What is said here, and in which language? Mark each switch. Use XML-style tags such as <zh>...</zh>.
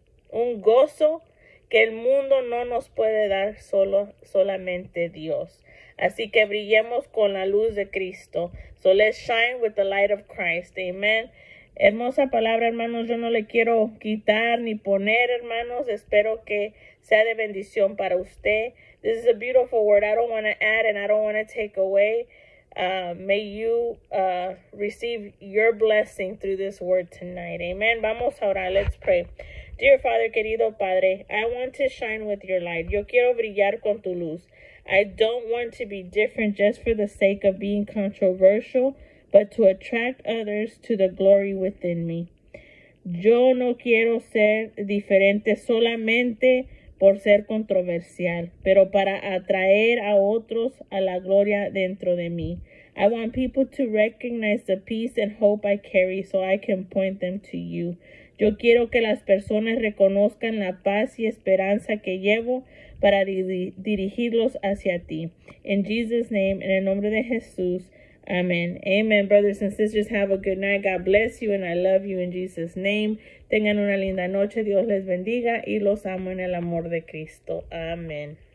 <es>un gozo que el mundo no nos puede dar, solamente Dios. Así que brillemos con la luz de Cristo.</es> <en>So let's shine with the light of Christ.</en> <es>Amen. Hermosa palabra, hermanos. Yo no le quiero quitar ni poner, hermanos. Espero que sea de bendición para usted.</es> <en>This is a beautiful word. I don't want to add and I don't want to take away. May you receive your blessing through this word tonight. Amen.</en> <es>Vamos a orar.</es> <en>Let's pray. Dear Father,</en> <es>querido Padre,</es> <en>I want to shine with your light.</en> <es>Yo quiero brillar con tu luz.</es> <en>I don't want to be different just for the sake of being controversial, but to attract others to the glory within me.</en> <es>Yo no quiero ser diferente solamente por ser controversial, pero para atraer a otros a la gloria dentro de mí.</es> <en>I want people to recognize the peace and hope I carry so I can point them to you.</en> <es>Yo quiero que las personas reconozcan la paz y esperanza que llevo para dirigirlos hacia ti.</es> <en>In Jesus' name,</en> <es>en el nombre de Jesús, amen.</es> <en>Amen, brothers and sisters, have a good night. God bless you and I love you in Jesus' name.</en> <es>Tengan una linda noche. Dios les bendiga y los amo en el amor de Cristo. Amen.</es>